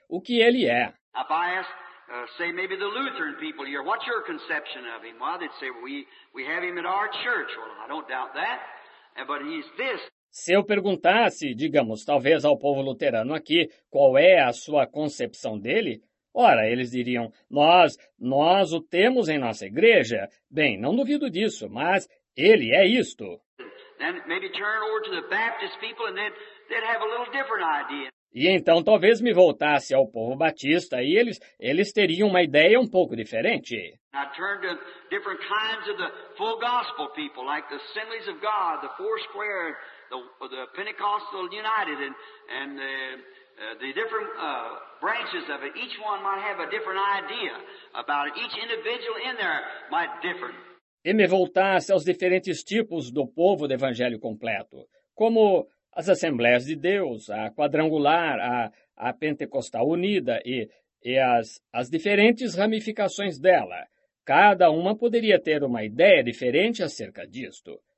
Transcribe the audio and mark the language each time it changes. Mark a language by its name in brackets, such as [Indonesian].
[Portuguese] O que ele é. [English] Say maybe the Lutheran people here, what's your conception of him? Well, they'd say, we have him at our church. Well, I don't doubt that, but he's this. [Portuguese] Se eu perguntasse, digamos, talvez ao povo luterano aqui, qual é a sua concepção dele? Ora, eles diriam, nós o temos em nossa igreja. Bem, não duvido disso, mas ele é isto. [English] Then maybe turn over to the Baptist people and then they'd have a little different idea. [Portuguese] E então talvez me voltasse ao povo batista e eles teriam uma ideia um pouco diferente. [English] I turn to different kinds of the full gospel people, like the Assemblies of God, the Four Square, the Pentecostal United, and the different branches of it. Each one might have a different idea about it. Each individual in there might differ. [Portuguese] E me voltasse aos diferentes tipos do povo do Evangelho completo, como as Assembleias de Deus, a Quadrangular, a Pentecostal Unida e as diferentes ramificações dela. Cada uma poderia ter uma ideia diferente acerca disto.